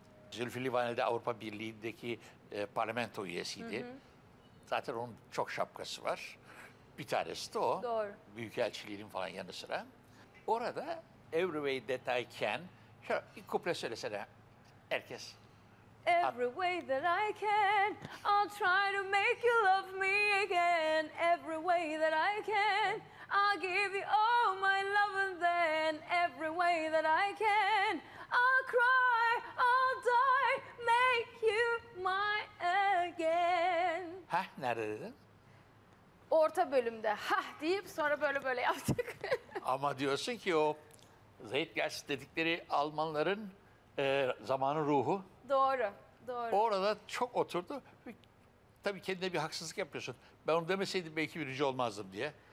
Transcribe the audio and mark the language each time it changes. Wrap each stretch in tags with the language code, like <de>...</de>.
<tr>Zülfü Livaneli'de Avrupa Birliği'ndeki parlamento üyesiydi. Zaten onun çok şapkası var. Bir tanesi de o. Doğru. Büyükelçiliğinin falan yanı sıra. Orada Every Way That I Can, şöyle bir kuple söylesene herkes.</tr> <en>Every way that I can, I'll try to make you love me again. Every way that I can, I'll give you all my love and then. Every way that I can, I'll cry, I'll die, make you my again.</en> <tr>Ha, nerede dedin? Orta bölümde ha deyip sonra böyle böyle yaptık. Ama diyorsun ki o Zeitgeist dedikleri Almanların zamanın ruhu. Doğru, doğru. Orada çok oturdu. Tabii kendine bir haksızlık yapıyorsun. Ben onu demeseydim belki birinci olmazdım diye.</tr>